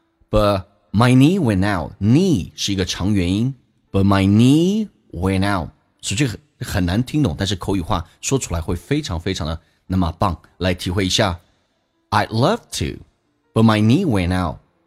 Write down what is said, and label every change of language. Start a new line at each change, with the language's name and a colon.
English: But my knee went out, knee
Chinese: 是一个长元音，
English: but my knee went out.
Chinese: 所以这个很难听懂，但是口语化说出来会非常非常的那么棒。来体会一下。
English: I'd love to, but my knee went out.